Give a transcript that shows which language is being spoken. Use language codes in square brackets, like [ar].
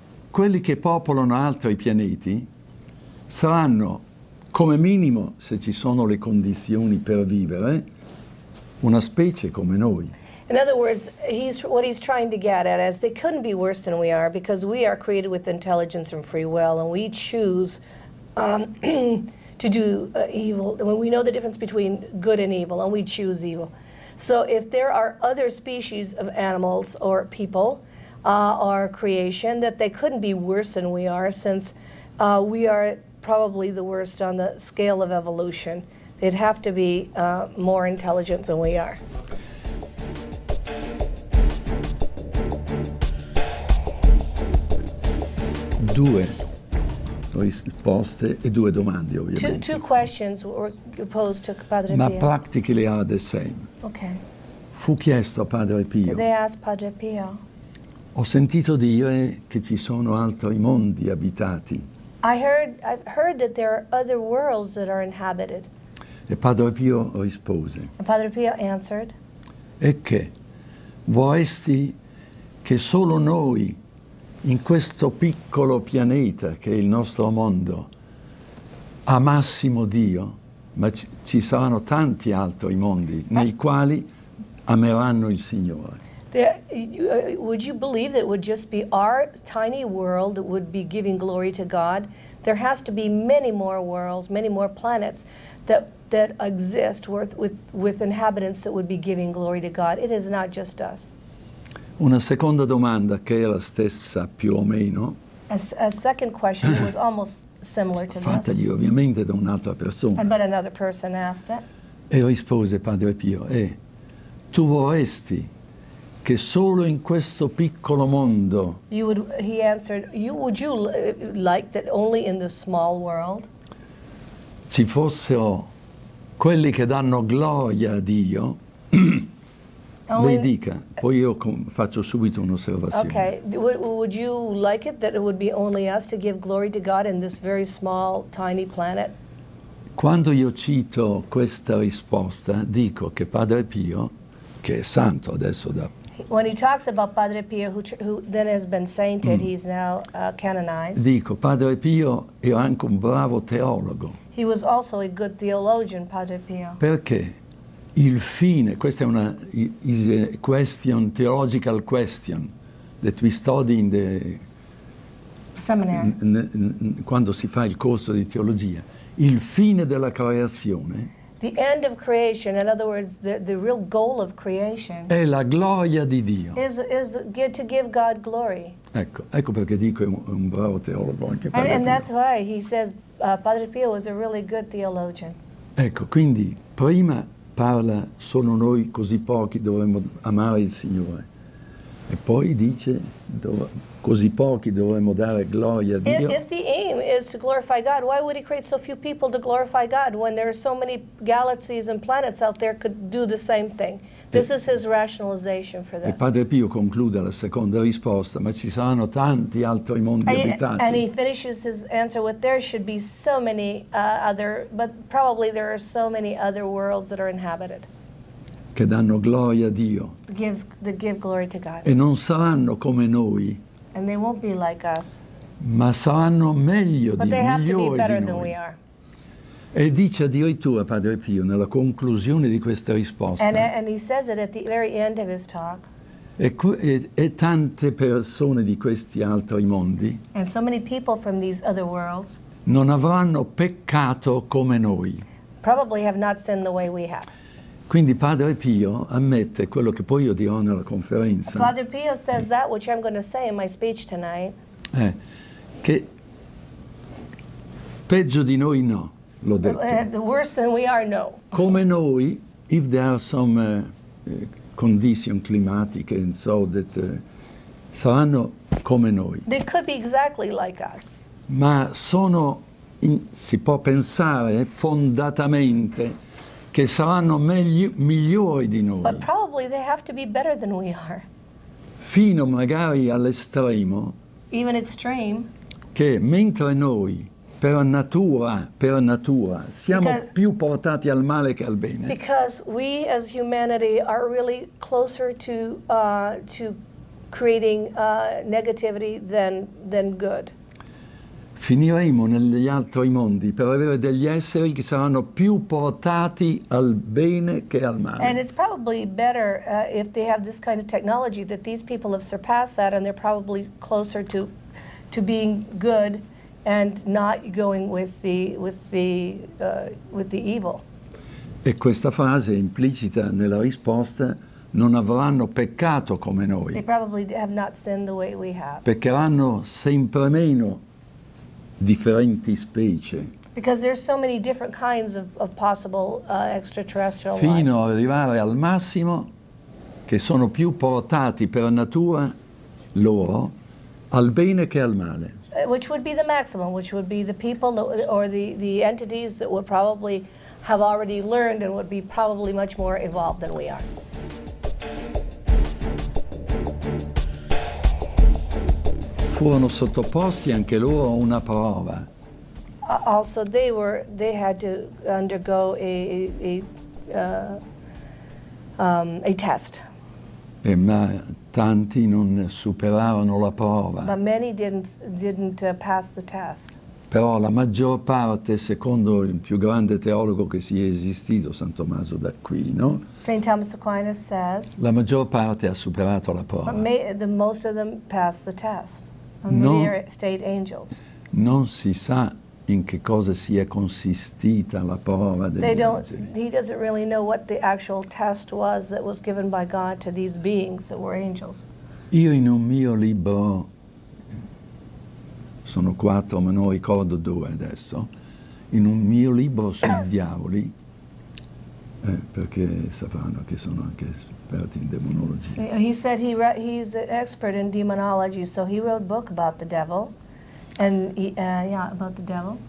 [it] Quelli che popolano altri pianeti saranno, come minimo, se ci sono le condizioni per vivere, una specie come noi. [en] In other words, what he's trying to get at is they couldn't be worse than we are because we are created with intelligence and free will and we choose to do evil. When we know the difference between good and evil and we choose evil. So if there are other species of animals or people or creation, that they couldn't be worse than we are since we are probably the worst on the scale of evolution. They'd have to be more intelligent than we are. [it] Due risposte e due domande, ovviamente. [en] Two questions were posed to Padre Pio. [it] Ma [en] practically are the same. Okay. [it] Fu chiesto a Padre Pio. [en] They asked Padre Pio. [it] Ho sentito dire che ci sono altri mondi abitati. [en] I've heard that there are other worlds that are inhabited. [it] E Padre Pio rispose. [en] And Padre Pio answered. [it] E che vorresti che solo noi in questo piccolo pianeta che è il nostro mondo a massimo Dio, ma ci saranno tanti altri mondi nei quali ameranno il Signore. [en] Would you believe that it would just be our tiny world that would be giving glory to God? There has to be many more worlds, many more planets that exist with inhabitants that would be giving glory to God. It is not just us. [it] Una seconda domanda che è la stessa più o meno. [en] A second question was almost similar to this. [it] Fatagli ovviamente da un'altra persona. [en] But another person asked it. [it] E rispose Padre Pio, tu vorresti che solo in questo piccolo mondo. [en] Would you like that only in this small world? [it] Ci fossero quelli che danno gloria a Dio. Lei dica, poi io faccio subito un'osservazione. [en] Okay, would you like it that it would be only us to give glory to God in this very small, tiny planet? [it] Quando io cito questa risposta, dico che Padre Pio, che è santo adesso da... [en] When he talks about Padre Pio, who then has been sainted, he's now canonized. [it] Dico, Padre Pio era anche un bravo teologo. [en] He was also a good theologian, Padre Pio. [it] Perché? Il fine, questa è una [en] is a question, theological question, that we study in the seminary, [it] quando si fa il corso di teologia. Il fine della creazione, [en] the end of creation, in other words, the real goal of creation, [it] è la gloria di Dio. [en] Is to give God glory. [it] Ecco perché dico è un bravo teologo anche [en] Padre Pio. And that's why he says Padre Pio was a really good theologian. [it] Ecco, quindi prima parla solo noi così pochi dovremmo amare il Signore. E poi dice, così pochi dovremmo dare gloria a Dio. [en] If the aim is to glorify God, why would he create so few people to glorify God when there are so many galaxies and planets out there could do the same thing? This is his rationalization for this. [it] E Padre Pio conclude la seconda risposta, ma ci saranno tanti altri mondi abitati. [en] And he finishes his answer with, there should be so many other, but probably there are so many other worlds that are inhabited. [it] Che danno gloria a Dio. [en] Give glory to God. [it] E non saranno come noi. [en] And they won't be like us. [it] Ma saranno meglio [en] but [it] di [en] they have [it] migliori [en] to be better [it] di noi. [en] Than we are. [it] E dice addirittura Padre Pio nella conclusione di questa risposta. [en] And he says it at the very end of his talk. [it] E tante persone di questi altri mondi. [en] And so many people from these other worlds. [it] Non avranno peccato come noi. [en] Probably have not sinned the way we have. [it] Quindi Padre Pio ammette quello che poi io dirò nella conferenza. [en] Father Pio says that which I'm going to say in my speech tonight. [it] Che peggio di noi no, l'ho detto. [en] The worse than we are, no. [it] Come noi, [en] if there are some condition [it] climatiche [en] and so that [it] saranno come noi. [en] They could be exactly like us. [it] Ma sono, si può pensare fondatamente che saranno migliori di noi. [en] But probably they have to be better than we are. [it] Fino magari all'estremo. [en] Even extreme. [it] Che mentre noi, per natura, siamo [en] because, [it] più portati al male che al bene. [en] Because we as humanity are really closer to creating negativity than good. [it] Finiremo negli altri mondi per avere degli esseri che saranno più portati al bene che al male. [en] And it's probably better if they have this kind of technology that these people have surpassed that and they're probably closer to being good and not going with the evil. [it] E questa frase implicita nella risposta non avranno peccato come noi. [en] They probably have not sinned the way we have. [it] Peccheranno sempre meno. Differenti specie. [en] Because there's so many different kinds of possible extraterrestrial life. [it] Fino ad arrivare al massimo che sono più portati per natura loro al bene che al male. [en] Which would be the maximum, which would be the people or the entities that would probably have already learned and would be probably much more evolved than we are. [it] Furono sottoposti anche loro a una prova. [en] Also they had to undergo a test. [it] E ma tanti non superarono la prova. [en] But many didn't pass the test. [it] Però la maggior parte, secondo il più grande teologo che sia esistito, San Tommaso d'Aquino, [en] Saint Thomas Aquinas says, [it] la maggior parte ha superato la prova. [en] But the most of them passed the test. [it] Non, non si sa in che cosa sia consistita la prova degli angeli. [en] He doesn't really know what the actual test was that was given by God to these beings that were angels. [it] Io in un mio libro, sono quattro ma non ricordo due adesso, in un mio libro sui diavoli, perché sapranno che sono anche in demonologia. [en] He said he's an expert in demonology, so he wrote a book about the devil, and about the devil.